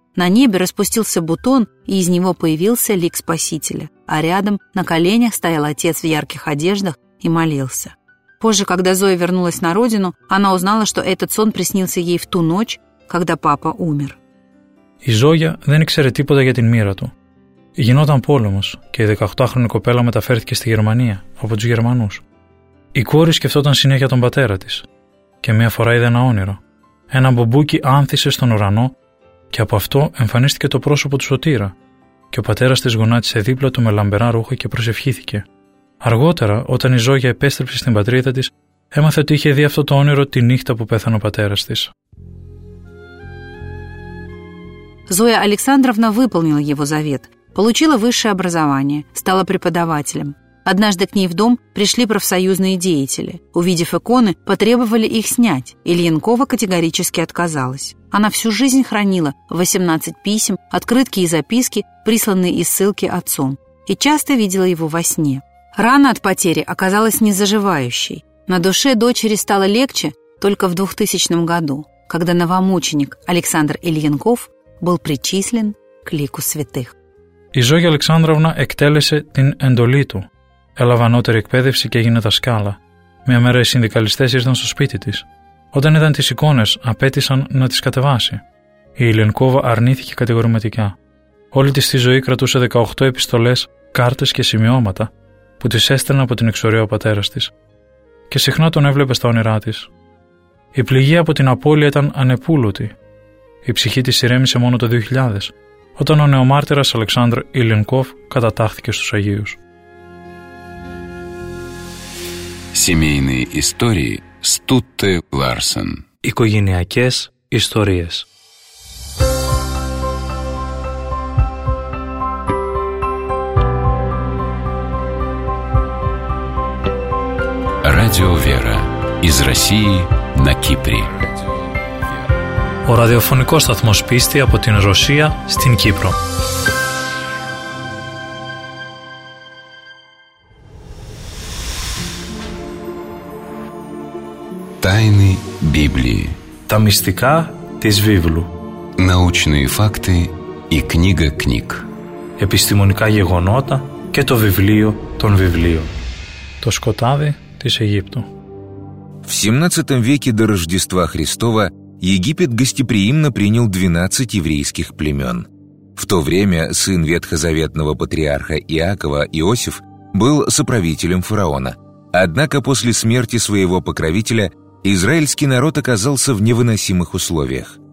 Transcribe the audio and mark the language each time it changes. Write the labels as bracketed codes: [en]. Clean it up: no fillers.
[ru] На небе распустился бутон, и из него появился лик Спасителя. А рядом на коленях стоял отец в ярких одеждах и молился. Позже, когда Зоя вернулась на родину, она узнала, что этот сон приснился ей в ту ночь, когда папа умер. И Зоя не знала ничего о его судьбе. [el] Γινόταν πόλεμος και η 18χρονη κοπέλα μεταφέρθηκε στη Γερμανία από τους Γερμανούς. Η κόρη σκεφτόταν συνέχεια τον πατέρα της και μία φορά είδε ένα όνειρο. Ένα μπουμπούκι άνθησε στον ουρανό και από αυτό εμφανίστηκε το πρόσωπο του Σωτήρα και ο πατέρας της γονάτισε δίπλα του με λαμπερά ρούχα και προσευχήθηκε. Αργότερα, όταν η Ζόγια επέστρεψε στην πατρίδα της, έμαθε ότι είχε δει αυτό το όνειρο τη νύχτα που πέθανε ο πατέρας της. [ru] Зоя Александровна выполнила его завет. Получила высшее образование, стала преподавателем. Однажды к ней в дом пришли профсоюзные деятели. Увидев иконы, потребовали их снять. Ильинкова категорически отказалась. Она всю жизнь хранила 18 писем, открытки и записки, присланные из ссылки отцом. И часто видела его во сне. Рана от потери оказалась незаживающей. На душе дочери стало легче только в 2000 году, когда новомученик Александр Ильинков был причислен к лику святых. [el] Η Ζόγια Αλεξάνδροβνα εκτέλεσε την εντολή του. Έλαβε ανώτερη εκπαίδευση και έγινε δασκάλα. Μια μέρα οι συνδικαλιστές ήρθαν στο σπίτι της. Όταν είδαν τις εικόνες, απέτησαν να τις κατεβάσει. Η Ιλενκόβα αρνήθηκε κατηγορηματικά. Όλη της τη ζωή κρατούσε 18 επιστολές, κάρτες και σημειώματα που της έστελνε από την εξορία ο πατέρας της. Και συχνά τον έβλεπε στα όνειρά της. Η πληγή από την απώλεια ήταν ανεπούλωτη. Η ψυχή της ηρέμησε μόνο το 2000. Όταν ο νεομάρτυρας Αλεξάνδρ Ιλενκόφ κατατάχθηκε στους Αγίους. [ru] Семейные истории Стутте Ларсен. [el] Οικογενειακές ιστορίες. [ru] Радио Вера из России на Кипре. [el] Ο ραδιοφωνικός σταθμός πίστη από την Ρωσία στην Κύπρο. [ru] Тайны Библии. [el] Τα μυστικά της Βίβλου. [ru] Научные факты и книга книг. [el] Επιστημονικά γεγονότα και το βιβλίο των βιβλίων. Το σκοτάδι της Αιγύπτου. [ru] В 17 веке до Рождества Христова Египет гостеприимно принял 12 еврейских племен. В то время сын ветхозаветного патриарха Иакова, Иосиф, был соправителем фараона. Однако после смерти своего покровителя израильский народ оказался в невыносимых условиях.